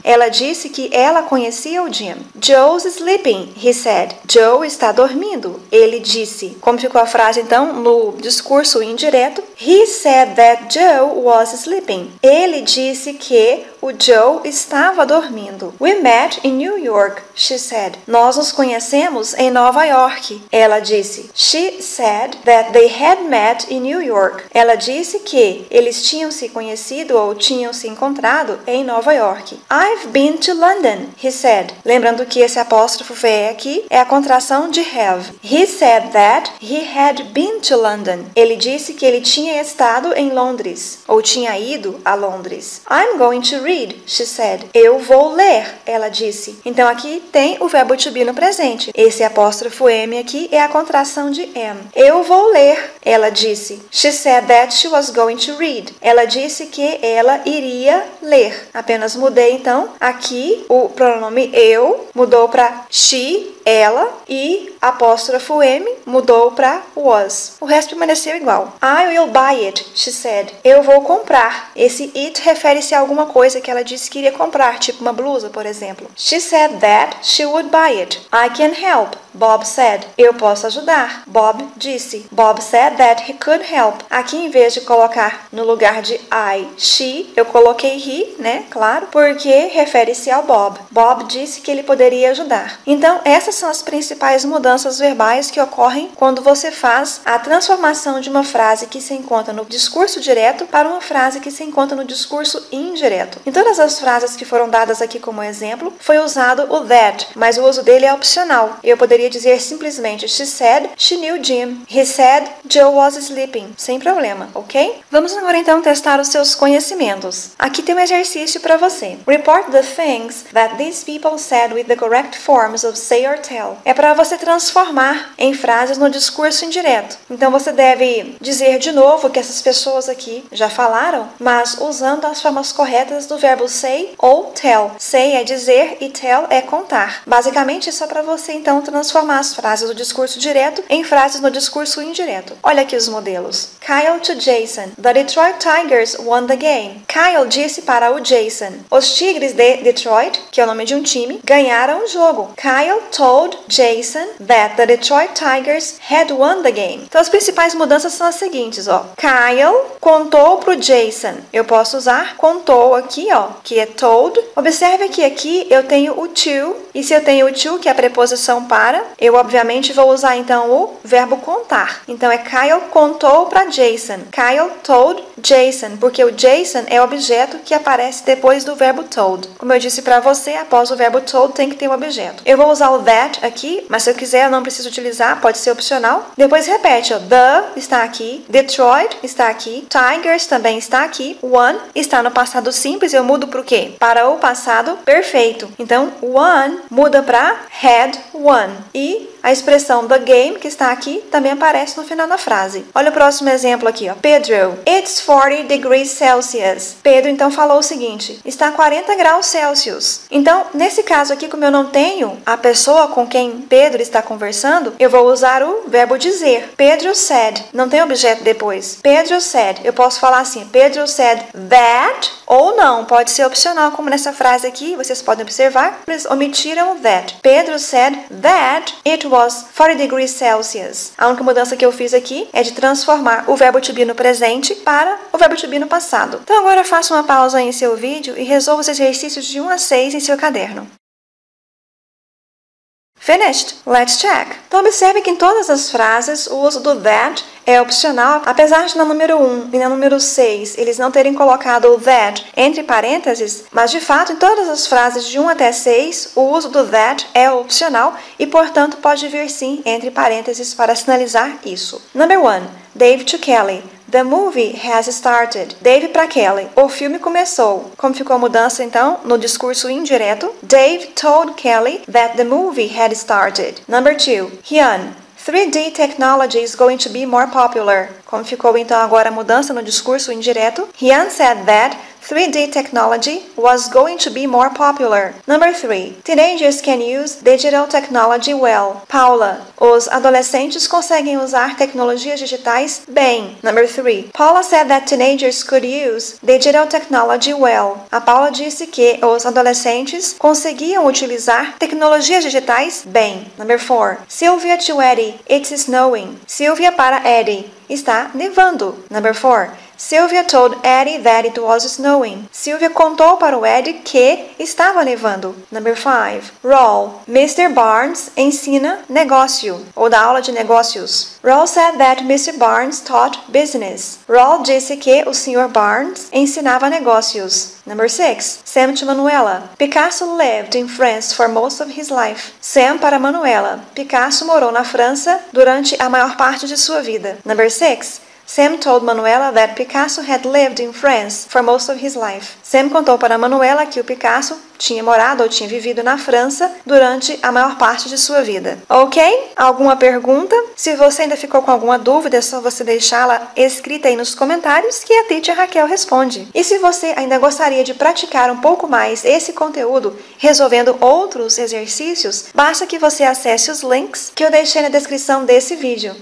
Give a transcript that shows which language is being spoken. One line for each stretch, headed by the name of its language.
Portuguese: Ela disse que ela conhecia o Jim.
English: Joe's sleeping, he said.
Portuguese: Joe está dormindo, ele disse. Como ficou a frase, então, no discurso indireto?
English: He said that Joe was sleeping.
Portuguese: Ele disse que o Joe estava dormindo.
English: We met in New York, she said.
Portuguese: Nós nos conhecemos em Nova York, ela disse.
English: She said that they had met in New York.
Portuguese: Ela disse que eles tinham se conhecido ou tinham se encontrado em Nova York.
English: I've been to London, he said.
Portuguese: Lembrando que esse apóstrofo VE aqui é a contração de have.
English: He said that he had been to London.
Portuguese: Ele disse que ele tinha estado em Londres ou tinha ido a Londres.
English: I'm going to read, she said.
Portuguese: Eu vou ler, ela disse. Então, aqui tem o verbo to be no presente. Esse apóstrofo M aqui é a contração de am. Eu vou ler, ela disse.
English: She said that she was going to read.
Portuguese: Ela disse que ela iria ler. Apenas mudei, então, aqui o pronome eu mudou para she, ela, e apóstrofo M mudou para was. O resto permaneceu igual.
English: I will buy it, she said.
Portuguese: Eu vou comprar. Esse it refere-se a alguma coisa que ela disse que iria comprar, tipo uma blusa, por exemplo.
English: She said that she would buy it. I can help, Bob said.
Portuguese: Eu posso ajudar, Bob disse.
English: Bob said that he could help.
Portuguese: Aqui, em vez de colocar no lugar de I, she, eu coloquei he, né, claro, porque refere-se ao Bob. Bob disse que ele poderia ajudar. Então, essas são as principais mudanças verbais que ocorrem quando você faz a transformação de uma frase que se encontra no discurso direto para uma frase que se encontra no discurso indireto. Em todas as frases que foram dadas aqui como exemplo, foi usado o that, mas o uso dele é opcional. Eu poderia poderia dizer simplesmente
English: she said she knew Jim. He said Joe was sleeping.
Portuguese: Sem problema, ok? Vamos agora então testar os seus conhecimentos. Aqui tem um exercício para você.
English: Report the things that these people said with the correct forms of say or tell.
Portuguese: É para você transformar em frases no discurso indireto. Então você deve dizer de novo o que essas pessoas aqui já falaram, mas usando as formas corretas do verbo say ou tell. Say é dizer e tell é contar. Basicamente, isso é para você, então, transformar as frases do discurso direto em frases no discurso indireto. Olha aqui os modelos.
English: Kyle to Jason. The Detroit Tigers won the game.
Portuguese: Kyle disse para o Jason. Os Tigres de Detroit, que é o nome de um time, ganharam o jogo.
English: Kyle told Jason that the Detroit Tigers had won the game.
Portuguese: Então, as principais mudanças são as seguintes, ó. Kyle contou pro Jason. Eu posso usar contou aqui, ó, que é told. Observe que aqui eu tenho o to, e se eu tenho o to, que é a preposição para, eu obviamente vou usar então o verbo contar. Então é Kyle contou para Jason.
English: Kyle told Jason,
Portuguese: porque o Jason é o objeto que aparece depois do verbo told. Como eu disse para você, após o verbo told tem que ter um objeto. Eu vou usar o that aqui, mas se eu quiser eu não preciso utilizar, pode ser opcional. Depois repete, ó. The está aqui, Detroit está aqui, Tigers também está aqui, won está no passado simples, eu mudo para o quê? Para o passado perfeito. Então, won muda para had won. E a expressão the game, que está aqui, também aparece no final da frase. Olha o próximo exemplo aqui, ó. Pedro,
English: it's 40 degrees Celsius.
Portuguese: Pedro, então, falou o seguinte, está 40 graus Celsius. Então, nesse caso aqui, como eu não tenho a pessoa com quem Pedro está conversando, eu vou usar o verbo dizer. Pedro said, não tem objeto depois. Pedro said, eu posso falar assim,
English: Pedro said that,
Portuguese: ou não, pode ser opcional, como nessa frase aqui, vocês podem observar, eles omitiram o that.
English: Pedro said that it was 40 degrees Celsius.
Portuguese: A única mudança que eu fiz aqui é de transformar o verbo to be no presente para o verbo to be no passado. Então agora faça uma pausa aí em seu vídeo e resolva os exercícios de 1 a 6 em seu caderno.
English: Finished? Let's check.
Portuguese: Então observe que em todas as frases o uso do that é opcional, apesar de na número 1 e na número 6 eles não terem colocado o that entre parênteses, mas de fato em todas as frases de 1 até 6 o uso do that é opcional e portanto pode vir sim entre parênteses para sinalizar isso.
English: Number 1. Dave to Kelly. The movie has started.
Portuguese: Dave para Kelly. O filme começou. Como ficou a mudança, então, no discurso indireto?
English: Dave told Kelly that the movie had started. Number 2. Hyun. 3D technology is going to be more popular.
Portuguese: Como ficou, então, agora a mudança no discurso indireto?
English: Hyun said that 3D technology was going to be more popular. Number 3. Teenagers can use digital technology well. Paula.
Portuguese: Os adolescentes conseguem usar tecnologias digitais bem.
English: Number 3. Paula said that teenagers could use digital technology well.
Portuguese: A Paula disse que os adolescentes conseguiam utilizar tecnologias digitais bem.
English: Number 4. Sylvia to Eddie. It's snowing.
Portuguese: Sylvia para Eddie. Está nevando.
English: Number 4. Sylvia told Eddie that it was snowing.
Portuguese: Sylvia contou para o Eddie que estava nevando.
English: Number 5. Raul. Mr.
Portuguese: Barnes ensina negócio, ou dá aula de negócios.
English: Raul said that Mr. Barnes taught business.
Portuguese: Raul disse que o Sr. Barnes ensinava negócios.
English: Number 6. Sam to Manuela. Picasso lived in France for most of his life.
Portuguese: Sam para Manuela. Picasso morou na França durante a maior parte de sua vida.
English: Number 6. Sam told Manuela that Picasso had lived in France for most of his life.
Portuguese: Sam contou para Manuela que o Picasso tinha morado ou tinha vivido na França durante a maior parte de sua vida. Ok? Alguma pergunta? Se você ainda ficou com alguma dúvida, é só você deixá-la escrita aí nos comentários que a teacher Raquel responde. E se você ainda gostaria de praticar um pouco mais esse conteúdo resolvendo outros exercícios, basta que você acesse os links que eu deixei na descrição desse vídeo.